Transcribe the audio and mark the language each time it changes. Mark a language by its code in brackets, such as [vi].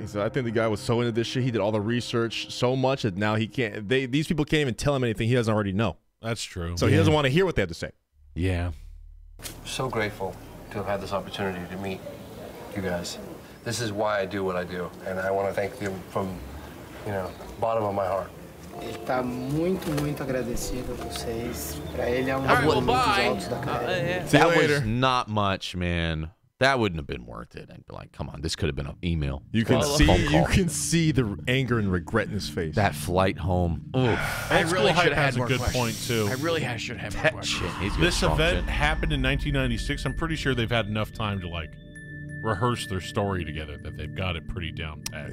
[en] He said, I think the guy was so into this shit, he did all the research so much that now he can't, these people can't even tell him anything he doesn't already know. That's true. So he doesn't want to hear what they have to say. Yeah. So grateful to have had this opportunity to meet you guys. This is why I do what I do. And I want to thank you from, you know, bottom of my heart. [pt] Ele tá muito, muito agradecido a vocês. Pra ele é um dos momentos altos da carreira. [en] See you later. That was not much, man. That wouldn't have been worth it. I'd be like, come on, this could have been an email. You can see, you can see the anger and regret in his face. That flight home. I really should have had a good point too. I really should have had more questions. This event happened in 1996. I'm pretty sure they've had enough time to like rehearse their story together that they've got it pretty down pat.